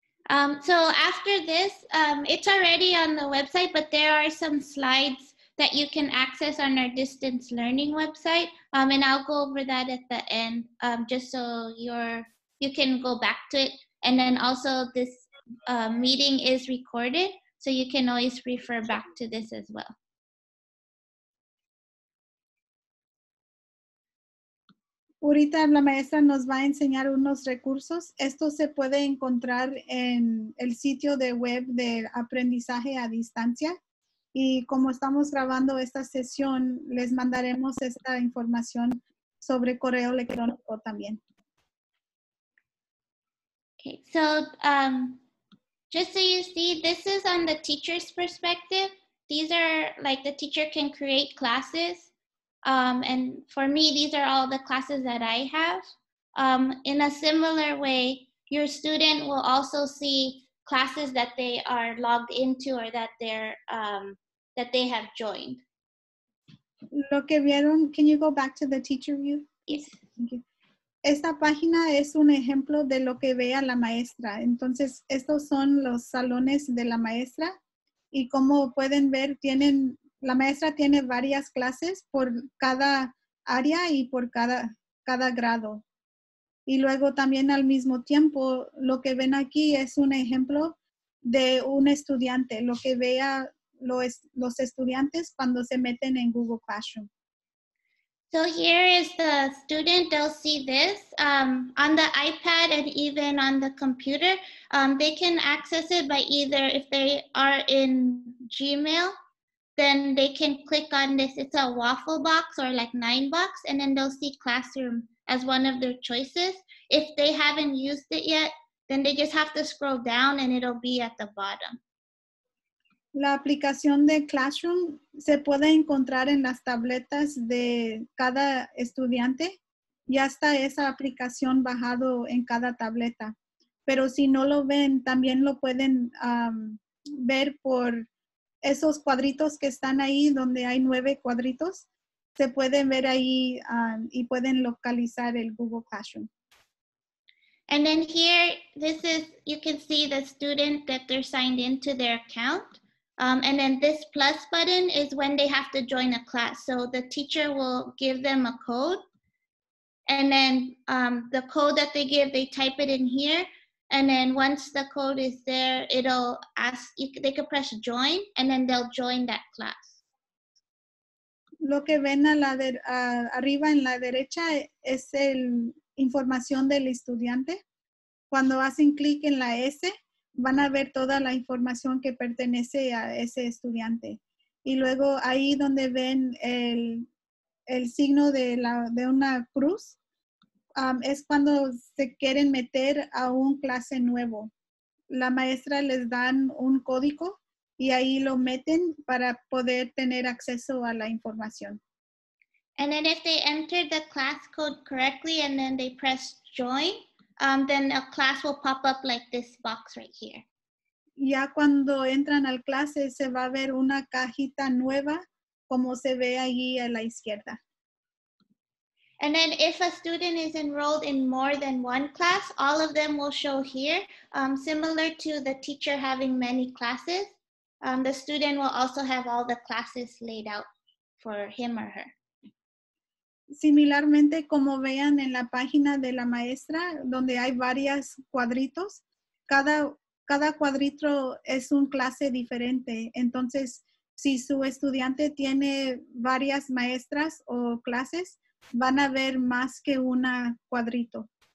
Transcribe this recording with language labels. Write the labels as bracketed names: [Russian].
[English] So after this, it's already on the website, but there are some slides that you can access on our distance learning website. And I'll go over that at the end, just so you can go back to it. And then also this meeting is recorded, so you can always refer back to this as well. [Spanish] Ahorita la maestra nos va a enseñar unos recursos. Esto se puede encontrar en el sitio de web de aprendizaje a distancia. Y como estamos grabando esta sesión, les mandaremos esta información sobre correo electrónico también. [English] Okay, so just so you see, this is on the teacher's perspective. these are like the teacher can create classes. And for me, these are all the classes that I have. In a similar way, your student will also see classes that they are logged into or that they're that they have joined. [Spanish] Lo que vieron, [English] can you go back to the teacher view? Yes. Thank you. [Spanish] Esta página es un ejemplo de lo que ve a la maestra. Entonces, estos son los salones de la maestra. Y como pueden ver, tienen, la maestra tiene varias clases por cada área y por cada grado. Y luego también al mismo tiempo, lo que ven aquí es un ejemplo de un estudiante, lo que ve a los estudiantes cuando se meten en Google Classroom. [English] So here is the student, they'll see this on the iPad and even on the computer. They can access it by either if they are in Gmail, then they can click on this. It's a waffle box or like nine box, and then they'll see classroom as one of their choices. If they haven't used it yet, then they just have to scroll down and it'll be at the bottom. [Spanish] La aplicación de Classroom se puede encontrar en las tabletas de cada estudiante. Ya está esa aplicación bajado en cada tableta. Pero si no lo ven, también lo pueden ver por esos cuadritos que están ahí donde hay nueve cuadritos. Se pueden ver ahí y pueden localizar el Google Classroom. [English] And then here, this is, you can see the student that they're signed into their account. And then this plus button is when they have to join a class. So the teacher will give them a code. And then the code that they give, they type it in here. And then once the code is there, it'll ask, they can press join, and then they'll join that class. [Spanish] Lo que ven a la arriba en la derecha es el información del estudiante. Cuando hacen clic en la S, van a ver toda la información que pertenece a ese estudiante. Y luego ahí donde ven el signo de una cruz, es cuando se quieren meter a un clase nuevo. La maestra les dan un código y ahí lo meten para poder tener acceso a la información. [English] And then if they enter the class code correctly and then they press join, then a class will pop up like this box right here. [Spanish] Ya cuando entran al clase, se va a ver una cajita nueva, como se ve allí a la izquierda. [English] And then if a student is enrolled in more than one class, all of them will show here. Similar to the teacher having many classes, the student will also have all the classes laid out for him or her. [Spanish] Similarmente, como vean en la página de la maestra, donde hay varias cuadritos, cada cuadrito es un clase diferente. Entonces, si su estudiante tiene varias maestras o clases, van a ver más que una cuadrito.